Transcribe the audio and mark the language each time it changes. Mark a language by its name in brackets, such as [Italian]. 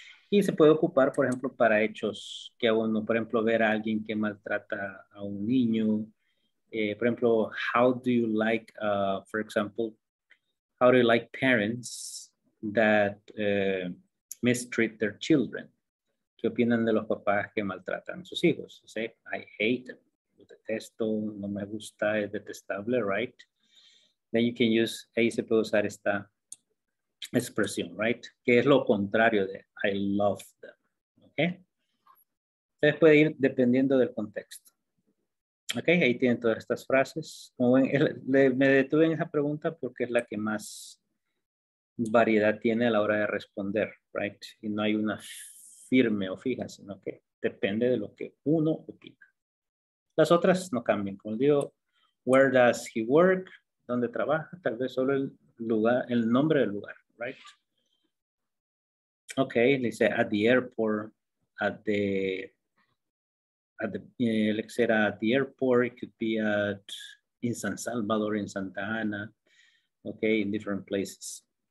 [Spanish] Y se puede ocupar, por ejemplo, para hechos que a uno, por ejemplo, ver a alguien que maltrata a un niño. Por ejemplo, [English] how do you like, for example, how do you like parents that mistreat their children? [Spanish] ¿Qué opinan de los papás que maltratan a sus hijos? [English] Say, I hate them, [Spanish] lo detesto, no me gusta, es detestable, right? [English] Then you can use, [Spanish] ahí se puede usar esta expresión, right? Que es lo contrario de [English] I love them, [Spanish] okay? Entonces puede ir dependiendo del contexto. Okay, ahí tienen todas estas frases. Como ven, me detuve en esa pregunta porque es la que más variedad tiene a la hora de responder, right? Y no hay una firme o fija, sino que depende de lo que uno opina. Las otras no cambian. Como digo, [English] where does he work? [Spanish] Donde trabaja, tal vez solo el lugar, el nombre del lugar, right? [English] Okay, [Spanish] le dice [English] at the airport, at the airport, it could be at in San Salvador, in Santa Ana, okay, in different places.